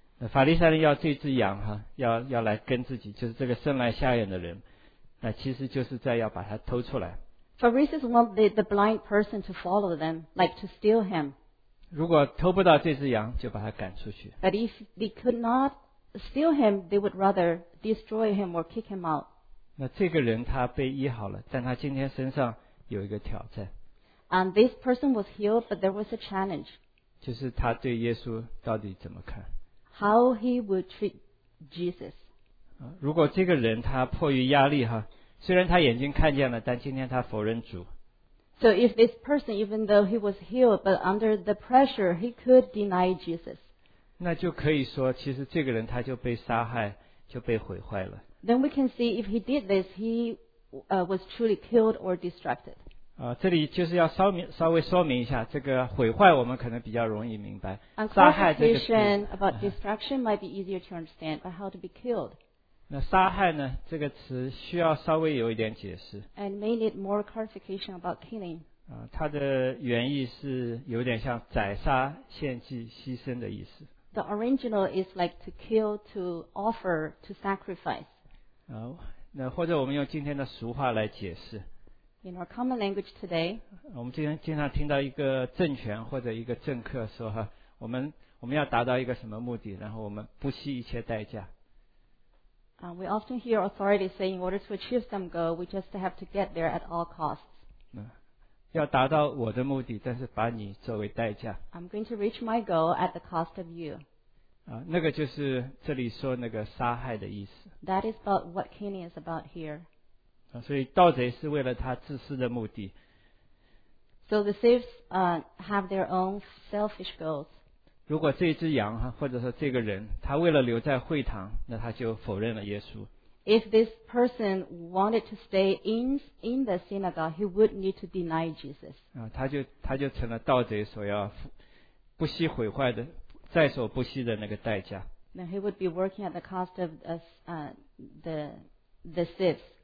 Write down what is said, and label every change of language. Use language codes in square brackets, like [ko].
[zh] 法利赛人要这只羊要来跟自己，就是这个生来瞎眼的人，那其实就是在要把它偷出来。 [en] Pharisees want the blind person to follow them, like to steal him. [zh] 如果偷不到这只羊，就把他赶出去。 [en] But if they could not steal him, they would rather destroy him or kick him out. [zh] 那这个人他被医好了，但他今天身上有一个挑战。 [en] And this person was healed, but there was a challenge. [zh] 就是他对耶稣到底怎么看？ [en] How he would treat Jesus. [zh] 如果这个人他迫于压力虽然他眼睛看见了，但今天他否认主。 [en] So if this person, even though he was healed, but under the pressure, he could deny Jesus. [zh] 那就可以说，其实这个人他就被杀害，就被毁坏了。 [en] Then we can see if he did this, he was truly killed or destructed. [zh] 这里就是要稍微说明一下，这个毁坏我们可能比较容易明白。杀害这个词。 [en] About destruction might be easier to understand, but how to be killed? [zh] 那杀害呢？这个词需要稍微有一点解释。 [en] And may need more clarification about killing. [zh] 它的原意是有点像宰杀、献祭、牺牲的意思。 [en] The original is like to kill, to offer, to sacrifice. [zh] 那或者我们用今天的俗话来解释。 [en] In our common language today. [zh] 我们今天经常听到一个政权或者一个政客说我们要达到一个什么目的，然后我们不惜一切代价。 [en] We often hear authorities say, in order to achieve some goal, we just have to get there at all costs. [zh] 要达到我的目的，但是把你作为代价。 [en] I'm going to reach my goal at the cost of you. [zh] 那个就是这里说那个杀害的意思。 [en] That is about what killing is about here. [zh] 所以盗贼是为了他自私的目的。 [en] So the thieves have their own selfish goals. [zh] 如果这只羊或者说这个人他为了留在会堂，那他就否认了耶稣。 [en] If this person wanted to stay in the synagogue, he would need to deny Jesus. [zh] 他就成了盗贼所要不惜毁坏的在所不惜的那个代价。 [en] Then he would be working at the cost of the thieves.